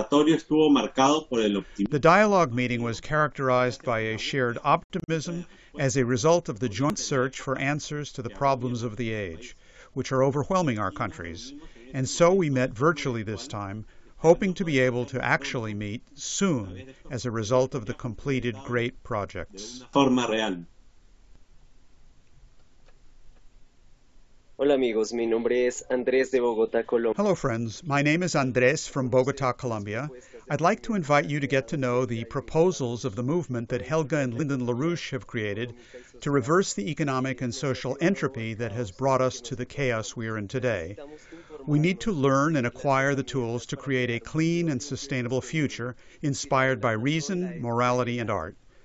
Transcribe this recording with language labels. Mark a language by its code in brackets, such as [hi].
[en] The dialogue meeting was characterized by a shared optimism as a result of the joint search for answers to the problems of the age, which are overwhelming our countries. And so we met virtually this time, hoping to be able to actually meet soon as a result of the completed great projects. [es] Hola amigos, mi nombre es Andrés de Bogotá, Colombia. [en] Hello friends, my name is Andrés from Bogotá, Colombia. I'd like to invite you to get to know the proposals of the movement that Helga and Lyndon LaRouche have created to reverse the economic and social entropy that has brought us to the chaos we are in today. We need to learn and acquire the tools to create a clean and sustainable future inspired by reason, morality, and art.